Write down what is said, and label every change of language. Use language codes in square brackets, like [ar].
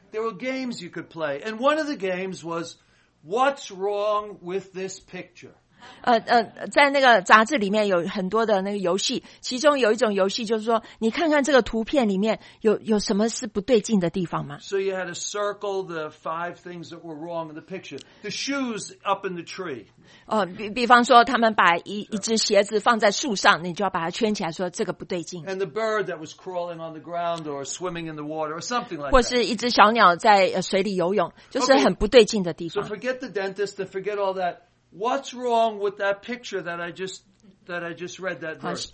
[en] There were games you could play, and one of the games was, "What's wrong with this picture?" [zh] 在那个杂志里面有很多的那个游戏，其中有一种游戏就是说，你看看这个图片里面有什么是不对劲的地方吗？ [en] So you had to circle the five things that were wrong in the picture. The shoes up in the tree. [zh] 比方说他们把一只鞋子放在树上，你就要把它圈起来，说这个不对劲。 [en] And the bird that was crawling on the ground or swimming in the water or something like that. [zh] 或是一只小鸟在水里游泳，就是很不对劲的地方。 [en] Okay. So forget the dentist and forget all that. What's wrong with that picture that I just read that verse?